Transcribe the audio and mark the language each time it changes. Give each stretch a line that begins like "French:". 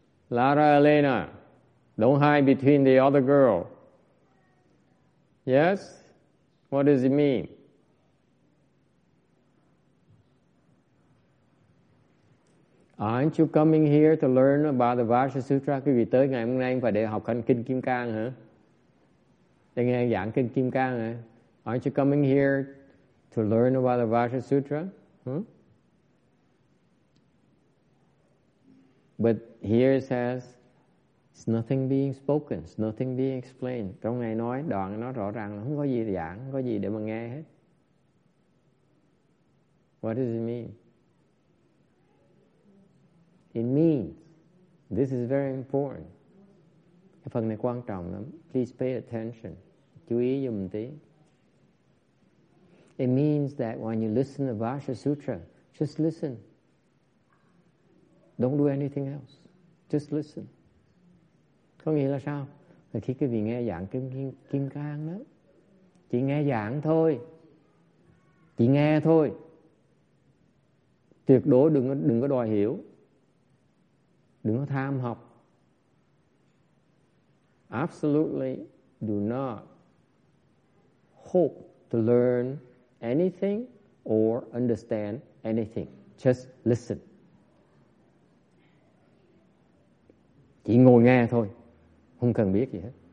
English: Lara, Elena, don't hide between the other girl. Yes? What does it mean? Aren't you coming here to learn about the Vajra Sutra?
Vietnamese: Quý vị tới ngày hôm nay phải để học hành Kinh Kim Cang hả? Để nghe giảng Kinh Kim Cang hả?
English: Aren't you coming here to learn about the Vajra Sutra? But here it says, it's nothing being spoken, it's nothing being explained.
Vietnamese: Trong ngày nói, đoạn nó rõ ràng là không có gì để giảng, không có gì để mà nghe hết.
English: What does it mean? It means, this is very important.
Vietnamese: Cái phần này quan trọng lắm.
English: Please pay attention.
Vietnamese: Chú ý giùm tí.
English: It means that when you listen to Vajra Sutra, just listen. Don't do anything else. Just listen.
Vietnamese: Có nghĩa là sao? Là khi quý vị nghe giảng kim cang đó, chỉ nghe giảng thôi, chỉ nghe thôi, tuyệt đối đừng có đòi hiểu, đừng có tham học.
English: Absolutely do not hope to learn anything or understand anything. Just listen.
Vietnamese: Chỉ ngồi nghe thôi, không cần biết gì hết.